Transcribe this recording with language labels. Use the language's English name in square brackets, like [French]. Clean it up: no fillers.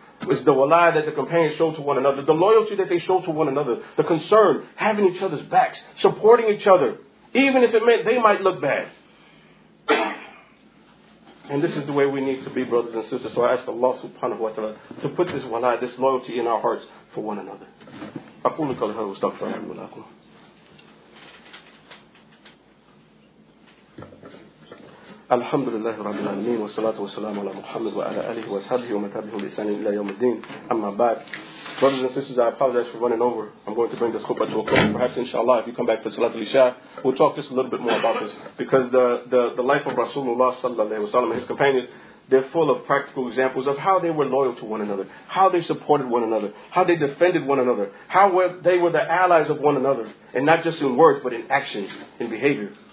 [English] is the wala that the companions show to one another, the loyalty that they show to one another, the concern, having each other's backs, supporting each other, even if it meant they might look bad. And this is the way we need to be, brothers and sisters. So I ask Allah subhanahu wa ta'ala to put this wala, this loyalty in our hearts for one another. [Arabic] أقول لك هذا واستغفر الله لكم. الحمد لله رب العالمين والصلاة والسلام على محمد وعلى آله وصحبه ومن تبعهم بإحسان إلى يوم الدين. أما بعد, [English] brothers and sisters, I apologize for running over. I'm going to bring this khutbah to a close. Perhaps inshallah, if you come back for Salat al-Isha, we'll talk just a little bit more about this, because the life of Rasulullah sallallahu alaihi wasallam and his companions, they're full of practical examples of how they were loyal to one another, how they supported one another, how they defended one another, how they were the allies of one another, and not just in words, but in actions, in behavior.